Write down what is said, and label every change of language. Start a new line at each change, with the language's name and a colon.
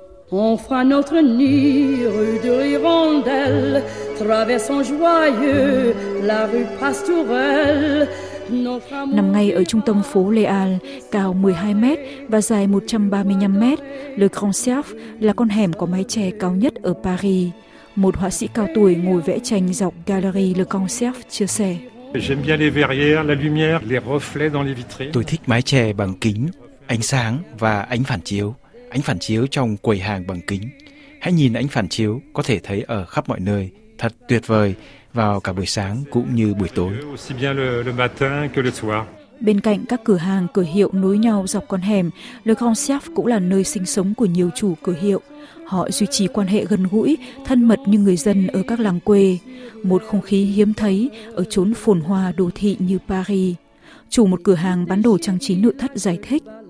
French: On fera notre nid rue de l'Hirondelle, traversant joyeux la rue Pastourelle.
Vietnamese: Nằm ngay ở trung tâm phố Les Halles, cao 12 mét và dài 135 mét, Le Grand Cerf là con hẻm có mái che cao nhất ở Paris. Một họa sĩ cao tuổi ngồi vẽ tranh dọc Galerie Le Grand Cerf chia sẻ.
French: J'aime bien les verrières, la lumière, les reflets dans les vitrines.
Vietnamese: Tôi thích mái che bằng kính, ánh sáng và ánh phản chiếu. Ánh phản chiếu trong quầy hàng bằng kính. Hãy nhìn ánh phản chiếu có thể thấy ở khắp mọi nơi, thật tuyệt vời vào cả buổi sáng cũng như buổi tối.
French: Aussi bien le matin que le soir.
Vietnamese: Bên cạnh các cửa hàng, cửa hiệu nối nhau dọc con hẻm, Le Grand Cerf cũng là nơi sinh sống của nhiều chủ cửa hiệu. Họ duy trì quan hệ gần gũi, thân mật như người dân ở các làng quê. Một không khí hiếm thấy ở chốn phồn hoa đô thị như Paris. Chủ một cửa hàng bán đồ trang trí nội thất giải thích.